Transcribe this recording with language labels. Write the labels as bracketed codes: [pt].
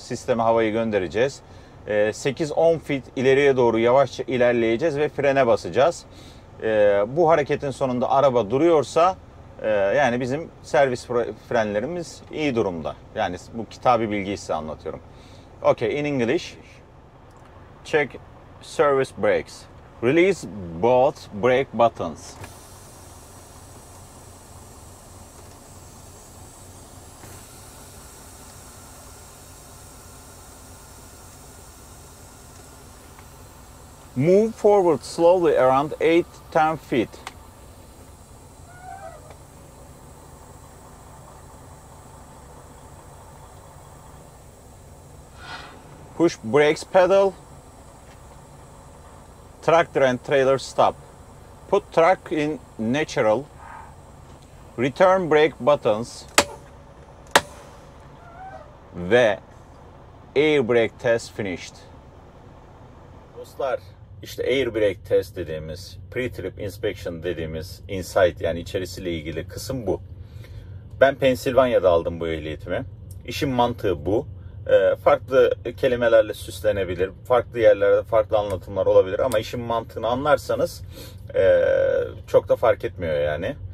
[tr] Sisteme havayı göndereceğiz. 8-10 feet ileriye doğru yavaşça ilerleyeceğiz ve frene basacağız. Bu hareketin sonunda araba duruyorsa yani bizim servis frenlerimiz iyi durumda. Yani bu kitabi bilgiyi size anlatıyorum. [en] Okay, in English. Check service brakes. Release both brake buttons. Move forward slowly around 8-10 feet. Push brakes pedal. Tractor and trailer stop. Put truck in neutral. Return brake buttons. Ve air brake test finished. [tr] Dostlar, işte air brake test dediğimiz, pre-trip inspection dediğimiz insight, yani içerisiyle ilgili kısım bu. Ben Pensilvanya'da aldım bu ehliyetimi. İşin mantığı bu. Farklı kelimelerle süslenebilir, farklı yerlerde farklı anlatımlar olabilir ama işin mantığını anlarsanız çok da fark etmiyor yani.